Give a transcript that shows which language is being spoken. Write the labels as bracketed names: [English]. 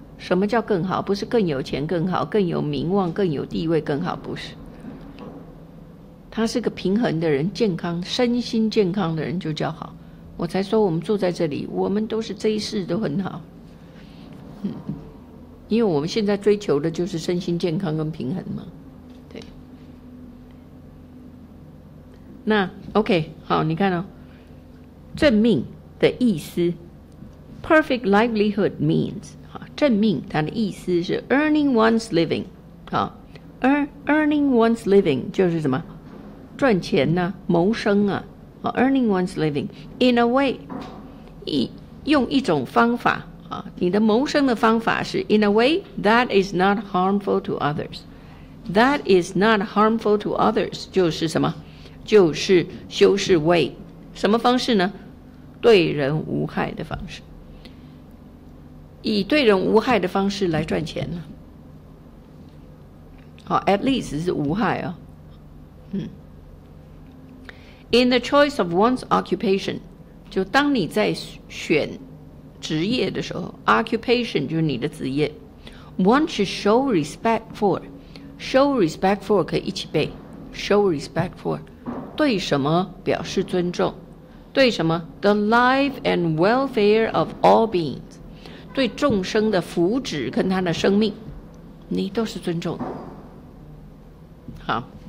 [Chinese] 什么叫更好？不是更有钱更好，更有名望更有地位更好，不是。他是个平衡的人，健康身心健康的人就叫好。我才说我们坐在这里，我们都是这一世都很好，因为我们现在追求的就是身心健康跟平衡嘛。对，那 [English] OK， [Chinese] 好，你看哦，正命的意思 [English] ，perfect livelihood means [Chinese] 哈，正命它的意思是 [English] earning one's living， 哈 ，earning one's living [Chinese] 就是什么，赚钱呢、啊，谋生啊，哈 [English] ，earning one's living in a way， [Chinese] 用一种方法啊，你的谋生的方法是 [English] in a way that is not harmful to others， that is not harmful to others [Chinese] 就是什么，就是修饰 [English] way， [Chinese] 什么方式呢？对人无害的方式，以对人无害的方式来赚钱呢？好 ， [English] at least [Chinese] 是无害啊、哦。 [English] In the choice of one's occupation, [Chinese] 就当你在选职业的时候 ,occupation 就是你的职业。 [English] One should show respect for, show respect for [Chinese] 可以一起背 [English] ,show respect for, [Chinese] 对什么表示尊重。对什么 ? [English] The life and welfare of all beings, [Chinese] 对众生的福祉跟他的生命你都是尊重。好。